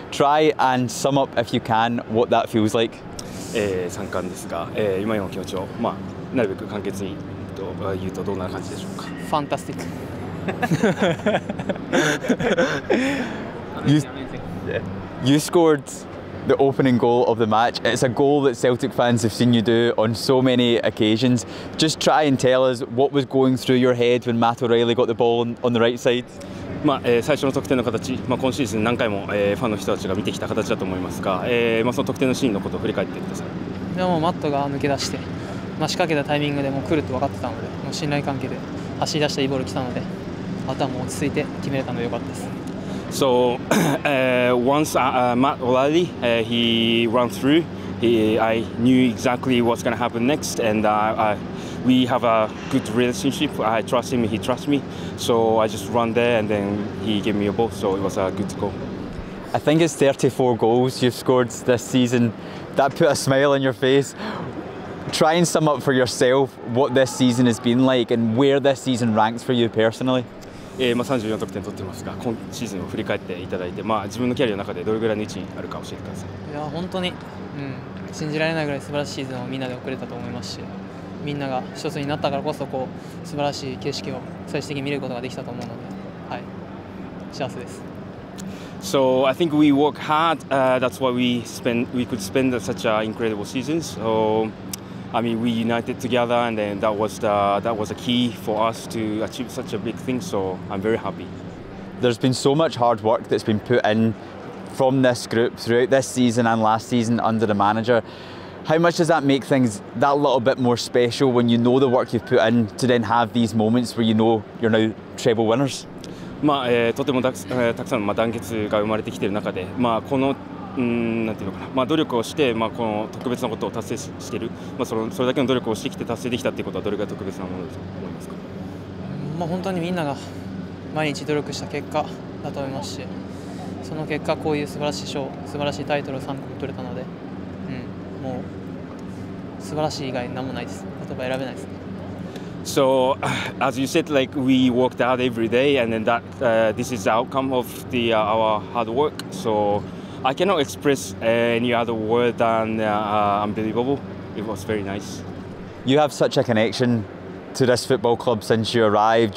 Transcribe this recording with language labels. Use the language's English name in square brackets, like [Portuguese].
[English] Try and sum up, if you can, what that feels like. [Japanese] 3冠ですが、今の気持ちを、まあ、なるべく簡潔に言うとどんな感じでしょうか。ファンタスティック。 [English] You scored the opening goal of the match. It's a goal that Celtic fans have seen you do on so many occasions. Just try and tell us what was going through your head when Matt O'Reilly got the ball on the right side. [Japanese] まあ最初の得点の形、まあ今シーズン何回もファンの人たちが見てきた形だと思いますが、まあその得点のシーンのことを振り返ってください。でもマットが抜け出して、まあ仕掛けたタイミングでもう来ると分かってたので、もう信頼関係で走り出したイボール来たので、あとはもう落ち着いて決めれたので良かったです。 [English] So once Matt O'Reilly he ran through, I knew exactly what's going to happen next, and we have a good relationship. I trust him, he trusts me. So I just ran there, and then he gave me a ball. So it was a good goal. I think it's 34 goals you've scored this season. That put a smile on your face. Try and sum up for yourself what this season has been like, and where this season ranks for you personally. [Japanese] まあ、34得点取ってますが、今シーズンを振り返っていただいて、まあ、自分のキャリアの中でどれぐらいの位置にあるか教えてください。いや本当に、信じられないぐらい素晴らしいシーズンをみんなで送れたと思いますし、みんなが一つになったからこそこう素晴らしい景色を最終的に見ることができたと思うので、はい、幸せです。 [English] So I think we work hard. That's why we could spend such an incredible season. So I mean, we united together, and then that was a key for us to achieve such a big thing. So I'm very happy. There's been so much hard work that's been put in from this group throughout this season and last season under the manager. How much does that make things that little bit more special when you know the work you've put in to then have these moments where you know you're now treble winners? [Japanese] まあ、とてもたくさんの団結が生まれてきている中で、まあこのなんていうのかな、まあ、努力をして、まあ、この特別なことを達成している、まあ、それだけの努力をしてきて達成できたということはどれが特別なものだと思いますか。まあ、本当にみんなが毎日努力した結果だと思いますし、その結果こういう素晴らしい賞、素晴らしいタイトルを3個取れたので、もう素晴らしい以外何もないです。言葉選べないです。 [English] So, as you said, like we worked out every day, and then that this is the outcome of the our hard work. So, I cannot express any other word than unbelievable. It was very nice. You have such a connection to this football club since you arrived.